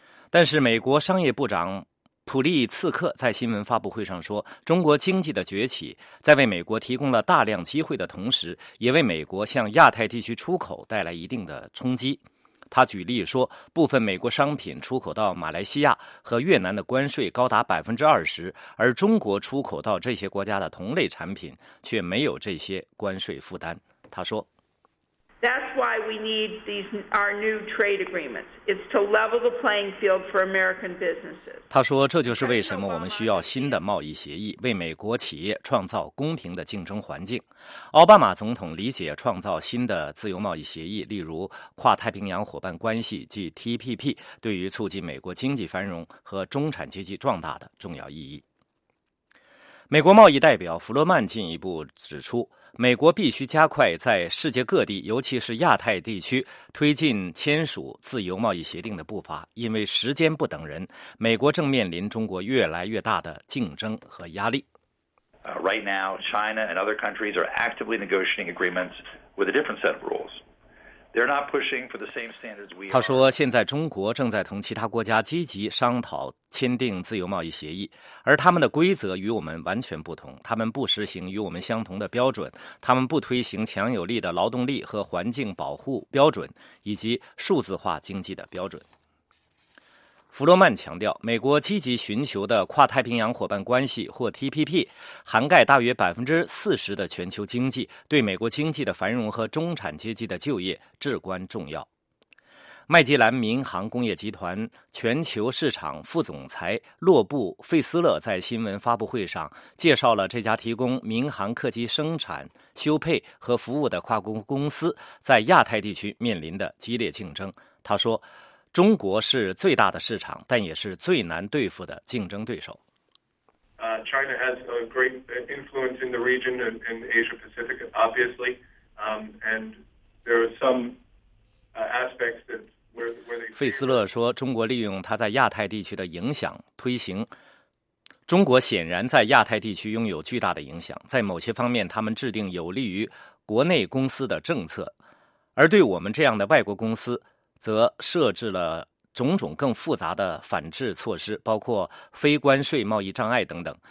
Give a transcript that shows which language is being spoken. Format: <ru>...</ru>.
<zh>但是美国商业部长普利茨克在新闻发布会上说，中国经济的崛起在为美国提供了大量机会的同时，也为美国向亚太地区出口带来一定的冲击。他举例说，部分美国商品出口到马来西亚和越南的关税高达 20%， 而中国出口到这些国家的同类产品却没有这些关税负担。他说，</zh> <en>That's why we need our new trade agreements. It's to level the playing field for American businesses.</en> <zh>他说，这就是为什么我们需要新的贸易协议，为美国企业创造公平的竞争环境。奥巴马总统理解创造新的自由贸易协议，例如跨太平洋伙伴关系即 TPP， 对于促进美国经济繁荣和中产阶级壮大的重要意义。美国贸易代表弗罗曼进一步指出，美国必须加快在世界各地，尤其是亚太地区推进签署自由贸易协定的步伐，因为时间不等人，美国正面临中国越来越大的竞争和压力。</zh> <en>Right now, China and other countries are actively negotiating agreements with a different set of rules.</en> <zh>他说，现在中国正在同其他国家积极商讨签订自由贸易协议，而他们的规则与我们完全不同，他们不实行与我们相同的标准，他们不推行强有力的劳动力和环境保护标准以及数字化经济的标准。弗罗曼强调，美国积极寻求的跨太平洋伙伴关系或 TPP 涵盖大约 40% 的全球经济，对美国经济的繁荣和中产阶级的就业至关重要。麦吉兰民航工业集团全球市场副总裁洛布·费斯勒在新闻发布会上介绍了这家提供民航客机生产、修配和服务的跨国公司在亚太地区面临的激烈竞争。他说，中国是最大的市场，但也是最难对付的竞争对手。</zh> <en>China has a great influence in the region and in Asia Pacific, obviously, and there are some aspects that where they</en> <zh>费斯勒说，中国利用他在亚太地区的影响推行。中国显然在亚太地区拥有巨大的影响，在某些方面，他们制定有利于国内公司的政策，而对我们这样的外国公司，则设置了种种更复杂的反制措施，包括非关税贸易障碍等等。</zh>